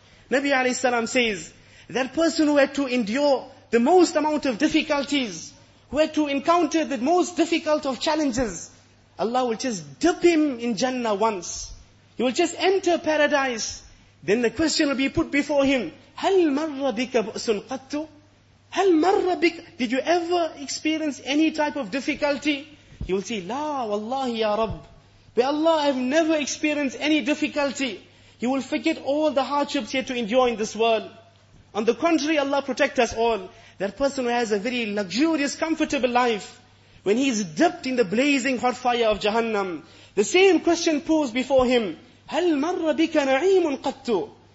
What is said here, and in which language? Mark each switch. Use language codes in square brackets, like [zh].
[en] Nabi alayhi salam says, that person who had to endure the most amount of difficulties, who had to encounter the most difficult of challenges, Allah will just dip him in Jannah once. He will just enter paradise. Then the question will be put before him, [ar] هَلْ مَرَّ بِكَ بُؤْسٌ قَتُّ هَلْ مَرَّ بِكَ. [en] Did you ever experience any type of difficulty? He will say, [ar] لَا وَاللَّهِ يَا رَبْ. [en] By Allah, I have never experienced any difficulty. He will forget all the hardships he had to endure in this world. On the contrary, Allah protect us all. That person who has a very luxurious, comfortable life, when he is dipped in the blazing hot fire of Jahannam, the same question posed before him, [ar] هَلْ مَرَّ بِكَ نَعِيمٌ قَتُّ.